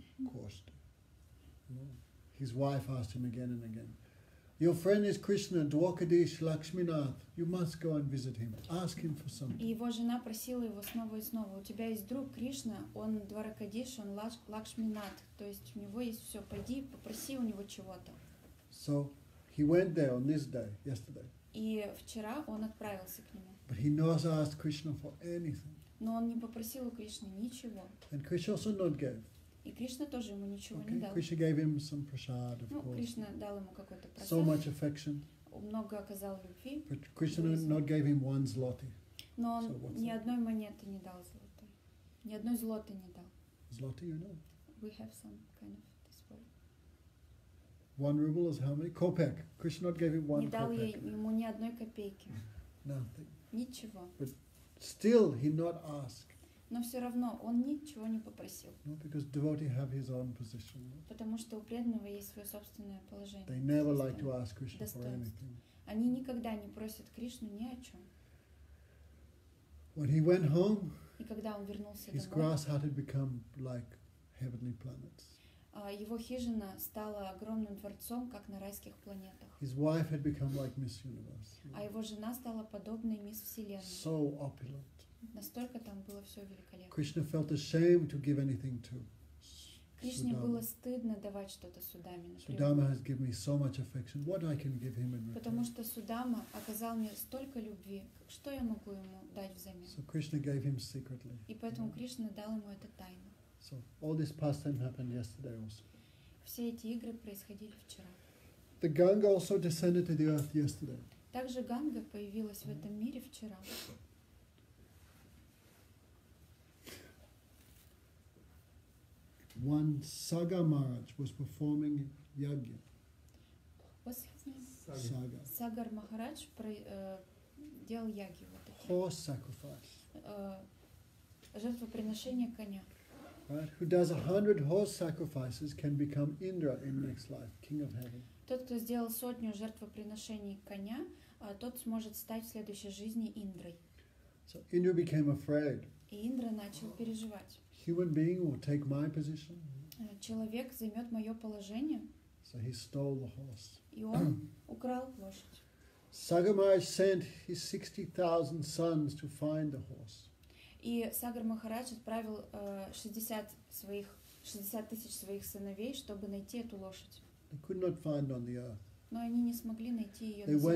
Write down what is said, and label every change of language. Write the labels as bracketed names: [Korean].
[Russian] Кости. [English] No. His wife asked him again and again. Your friend is Krishna, Dwarkadish Lakshminath. You must go and visit him. Ask him for something. [Russian] И его жена просила его снова и снова: у тебя есть друг Кришна, он Дваракадиш, он Лакшминат. То есть у него есть все. Пойди попроси у него чего-то. [English] So he went there on this day, yesterday. [Russian] И вчера он отправился к нему. [English] But he not asked Krishna for anything. [Russian] Но он не попросил у Кришны ничего. [English] And Krishna also not gave. [Russian] И Кришна тоже ему ничего [English] okay, [Russian] не дал. [English] Krishna gave him some prasad, of [Russian] ну, [English] course. [Russian] Кришна дал ему какой-то прасад. [English] So much affection. [Russian] Много оказал любви. [English] But Krishna not gave him one zloty. [Russian] Но он ни одной монеты не дал золотой. Ни одной злоты не дал. [English] Zloty or no? We have some kind of this way. 1 ruble is how many? Kopek. Krishna gave him one kopek. [Russian] Не дал ему ни одной копейки. [English] Nothing. [Russian] Ничего. [English] But still he not ask. [Russian] Но все равно он ничего не попросил. [English] No, because devotee have his own position. [Russian] Потому что у преданного есть свое собственное положение. [English] They never like to ask Krishna for anything. [Russian] Они никогда не просят Кришну ни о чем. [English] When he went home, [Russian] и когда он вернулся [English] his [Russian] домой, [English] grass had become like heavenly planets. [Russian] Его хижина стала огромным дворцом, как на райских планетах. [English] His wife had become like Miss Universe. [Russian] А его жена стала подобной мисс Вселенной. [English] So opulent. [Russian] Настолько там было все великолепно. [English] Krishna felt ashamed to give anything to [Russian] Кришне Sudama. Было стыдно давать что-то Судаме. [English] Судама has given me so much affection. What I can give him in return? [Russian] Потому что Судама оказал мне столько любви. Что я могу ему дать взамен? [English] So Krishna gave him secretly. [Russian] И поэтому Кришна дал ему это тайно. [English] So all this pastime happened yesterday also. [Russian] Все эти игры происходили вчера. [English] The Ganga also descended to the earth yesterday. [Russian] Также Ганга появилась в этом мире вчера. [English] One Saga Maharaj was performing yagya. What's his name? Saga. [Russian] Sagar Maharaj делал ягью. [English] Horse sacrifice. [Russian] Жертвоприношение коня. [English] Right? Who does 100 horse sacrifices can become Indra in next life, king of heaven. [Russian] Тот, кто сделал сотню жертвоприношений коня, тот сможет стать в следующей жизни Индрой. [English] So Indra became afraid. [Russian] И Индра начал переживать. [English] Human being will take my position. [Russian] Человек займет мое положение. [English] So he stole the horse. [Russian] И он украл лошадь. [English] Sagar Maharaj sent his 60,000 sons to find the horse. [Russian] И Сагар Махарадж отправил 60 тысяч своих сыновей, чтобы найти эту лошадь. [English] They could not find on the earth. [Russian] Но они не смогли найти ее на земле.